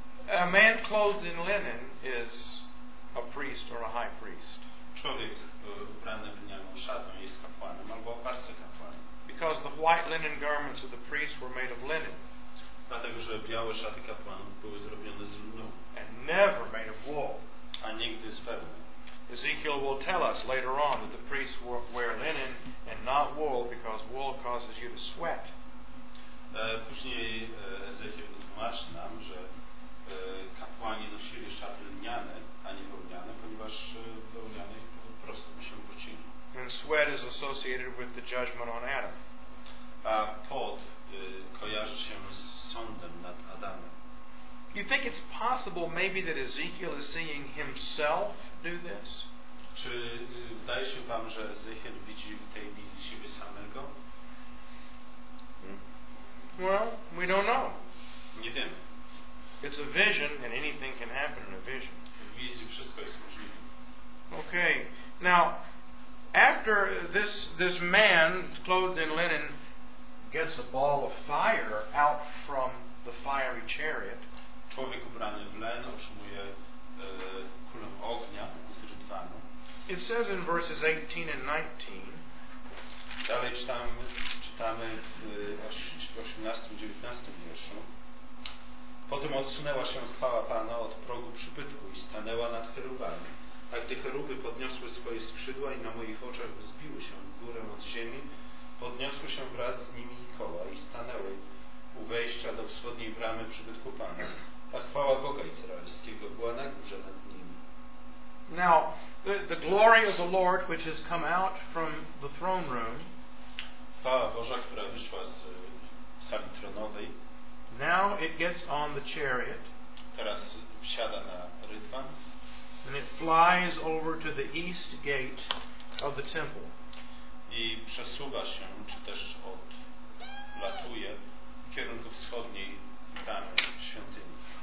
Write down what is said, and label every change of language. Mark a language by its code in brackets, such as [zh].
[en] A man clothed in linen is a priest or a high priest. [pl] Człowiek ubrany w lnianą szatę jest kapłanem albo arcykapłanem. [en] Because the white linen garments of the priest were made of linen. [pl] Dlatego, że białe szaty kapłanów były zrobione z lnu. [en] And never made of wool. [pl] A nigdy z wełny. [en] Ezekiel will tell us later on that the priests wear linen and not wool because wool causes you to sweat. [pl] Później Ezekiel tłumaczy nam, że kapłani nosili szaty lniane, a nie wełniane, ponieważ wełniane po prostu by się pocili. [en] And sweat is associated with the judgment on Adam. [pl] A pot kojarzy się z sądem nad Adamem. [en] You think it's possible maybe that Ezekiel is seeing himself do this? [pl] Czy wydaje się wam, że Ezechiel widzi w tej wizji siebie samego? [en] Well, we don't know. [pl] Nie wiemy. [en] It's a vision and anything can happen in a vision. [pl] W wizji wszystko jest możliwe. [en] Okay. Now, after this man clothed in linen gets a ball of fire out from the fiery chariot. [pl] Człowiek ubrany w len otrzymuje kulę ognia z rydwanu. [en] It says in verses 18 and 19. [pl] Dalej czytamy w 18-19 wierszu. Potem odsunęła się chwała Pana od progu przybytku i stanęła nad cherubami. A gdy cheruby podniosły swoje skrzydła i na moich oczach wzbiły się w górę od ziemi, podniosły się wraz z nimi koła i stanęły u wejścia do wschodniej bramy przybytku Pana. A chwała Boga Izraelskiego była na górze nad nimi. [en] Now, the glory of the Lord which has come out from the throne room, [pl] chwała Boża, która wyszła z sali tronowej, [en] now it gets on the chariot, [pl] teraz wsiada na rydwan, [en] and it flies over to the east gate of the temple. [pl] I przesuwa się, czy też odlatuje w kierunku wschodniej bramy świątyni.